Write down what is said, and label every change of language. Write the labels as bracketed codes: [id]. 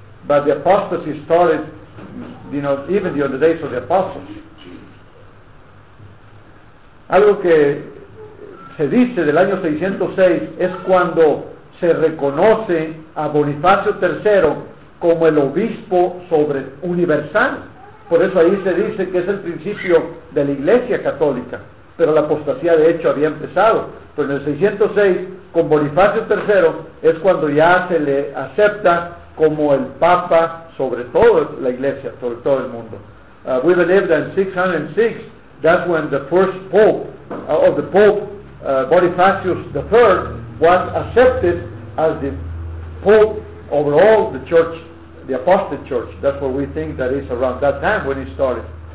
[en] But the apostasy started, you know, even during the days of the apostles. [es] Algo que se dice del año 606 es cuando se reconoce a Bonifacio III como el obispo sobre universal. Por eso ahí se dice que es el principio de la Iglesia Católica. Pero la apostasía de hecho había empezado. Pero en el 606, con Bonifacio III, es cuando ya se le acepta como el Papa sobre todo la Iglesia, sobre todo el mundo. [en] We believe that in 606, that's when the first Pope, of the Pope, Bonifacius III, was accepted as the Pope over all the Church, the Apostate Church. That's what we think that is around that time when it started.